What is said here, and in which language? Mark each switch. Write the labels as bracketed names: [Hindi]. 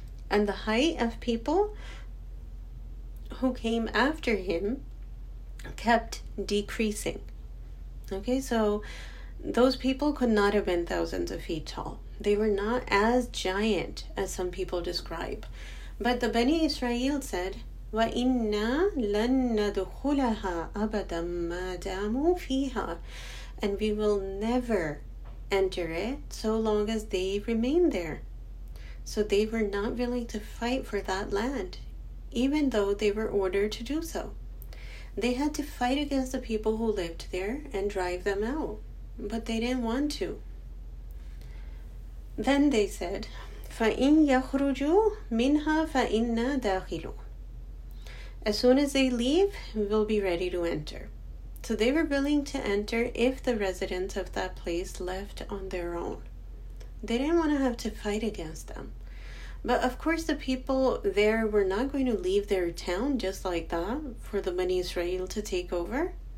[English] And the height of people who came after him kept decreasing. Okay, so those people could not have been thousands of feet tall. They were not as giant as some people describe. But the Bani Israel said, [Arabic] وَإِنَّا لَن نَدْخُلَهَا أَبَدًا مَا دَامُوا فِيهَا. [English] And we will never enter it so long as they remain there. So they were not willing to fight for that land, even though they were ordered to do so. They had to fight against the people who lived there and drive them out, but they didn't want to. Then they said, [Arabic] فَإِن يَخْرُجُوا مِنْهَا فَإِنَّا دَاخِلُونَ. [English] As soon as they leave, we'll be ready to enter. So they were willing to enter if the residents of that place left on their own. They didn't want to have to fight against them. But of course, the people there were not going to leave their town just like that for the Bani Israel to take over.